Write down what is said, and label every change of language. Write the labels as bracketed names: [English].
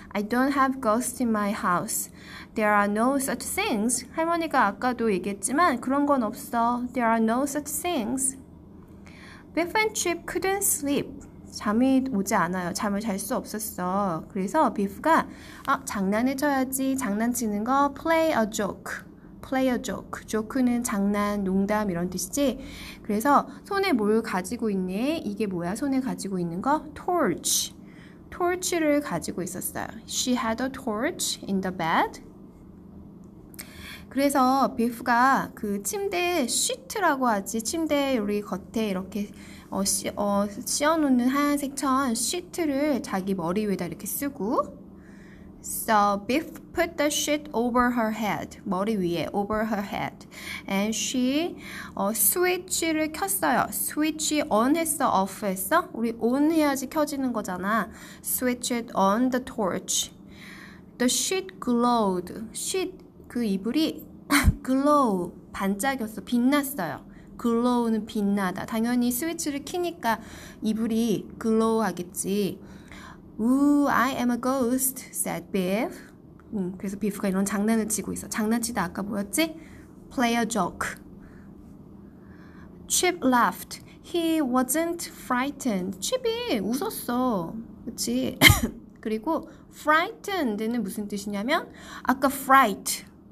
[English] I don't have ghosts in my house. There are no such things. [Korean] 할머니가 아까도 얘기했지만 그런 건 없어. [English] There are no such things. Biff and Chip couldn't sleep. [Korean] 잠이 오지 않아요. 잠을 잘수 없었어. 그래서 비프가 장난을 쳐야지. 장난치는 거 [English] play a joke. play a joke. [Korean] joke는 장난, 농담 이런 뜻이지. 그래서 손에 뭘 가지고 있니? 이게 뭐야? 손에 가지고 있는 거? torch. torch를 가지고 있었어요. [English] She had a torch in the bed. [Korean] 그래서 비프가 그 침대 sheet라고 하지. 침대 우리 겉에 이렇게 씌워놓는 하얀색 천 시트를 자기 머리 위에다 이렇게 쓰고 [English] So Biff put the sheet over her head [Korean] 머리 위에 over her head And she 스위치를 켰어요 스위치 on 했어 off 했어? 우리 on 해야지 켜지는 거잖아 [English] Switched on the torch The sheet glowed [Korean] sheet 그 이불이 glow 반짝였어 빛났어요 글로우는 빛나다. 당연히 스위치를 키니까 이불이 글로우 하겠지. [English] Ooh, I am a ghost, said Biff. [Korean] 그래서 비프가 이런 장난을 치고 있어. 장난치다 아까 뭐였지? [English] Play a joke. Chip laughed. He wasn't frightened. [Korean] 칩이 웃었어. 그치? 그리고 frightened는 무슨 뜻이냐면 아까 fright.